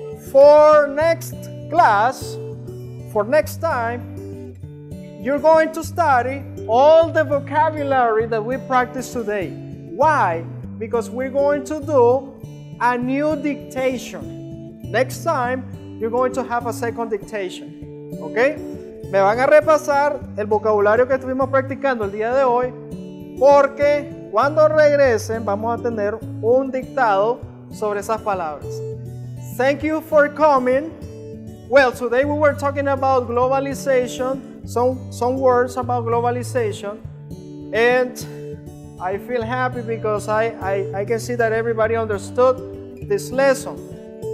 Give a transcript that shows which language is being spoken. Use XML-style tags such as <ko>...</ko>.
<en>For next class, for next time, you're going to study all the vocabulary that we practiced today. Why? Because we're going to do a new dictation. Next time, you're going to have a second dictation. Okay?</en> <es>Me van a repasar el vocabulario que estuvimos practicando el día de hoy porque cuando regresen, vamos a tener un dictado sobre esas palabras.</es> <en>Thank you for coming. Well, today we were talking about globalization, some words about globalization. And I feel happy because I can see that everybody understood this lesson. Well, that's it for today. Thank you for coming.</en>